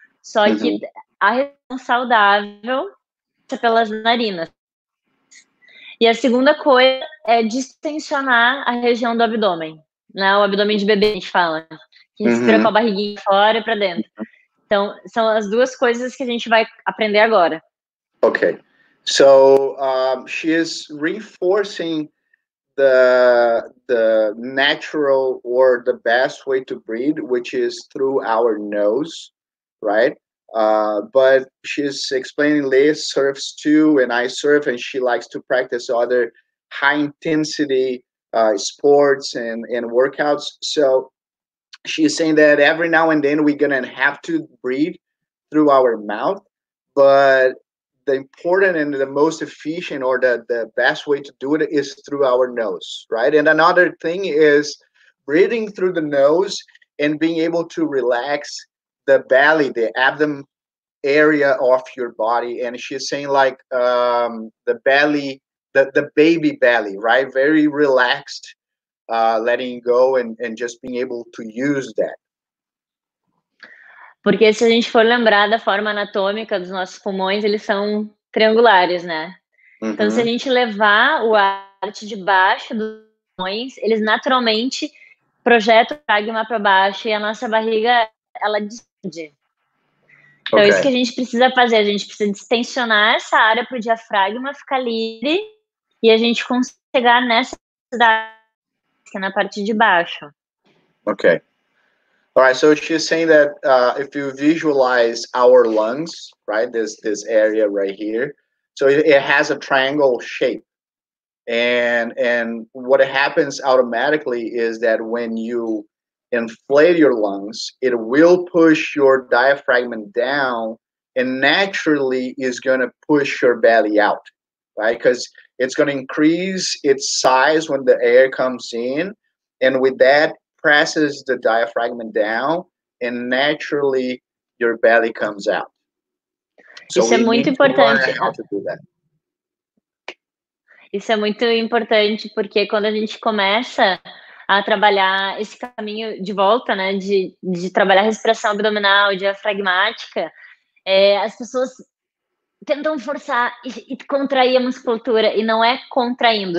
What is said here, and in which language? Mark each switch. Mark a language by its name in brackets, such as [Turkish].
[Portuguese] Só que a respiração saudável é pelas narinas. E a segunda coisa é distensionar a região do abdômen, né? O abdômen de bebê, a gente fala, que respira com a barriguinha fora e para dentro. Então, são as duas coisas que a gente vai aprender agora. Ok. [English] So, she is reinforcing the natural or the best way to breathe, which is through our nose, right? But she's explaining Liz surfs too, and I surf, and she likes to practice other high-intensity sports and workouts. So she's saying that every now and then we're going to have to breathe through our mouth, but the important and the most efficient or the best way to do it is through our nose, right? And another thing is breathing through the nose and being able to relax the belly, the abdomen area of your body. And she's saying like the belly, the baby belly, right? Very relaxed, letting go and just being able to use that. [Portuguese] Porque se a gente for lembrar da forma anatômica dos nossos pulmões, eles são triangulares, né? Então, se a gente levar o ar de baixo dos pulmões, eles naturalmente projetam o magma para baixo e a nossa barriga, ela distende. Então, isso que a gente precisa fazer, a gente precisa distensionar essa área para o diafragma ficar livre e a gente conseguir chegar nessa cidade, que é na parte de baixo. Ok. [English] All right, so she's saying that if you visualize our lungs, right, this area right here, so it has a triangle shape, And what happens automatically is that when you inflate your lungs, it will push your diaphragm down and naturally is going to push your belly out, right? Because it's going to increase its size when the air comes in. And with that, presses the diaphragm down and naturally your belly comes out. [Portuguese] Isso é muito importante. Isso é muito importante porque quando a gente começa a trabalhar esse caminho de volta, né, de trabalhar a respiração abdominal, diafragmática, as pessoas tentam forçar e contrair a musculatura e não é contraindo.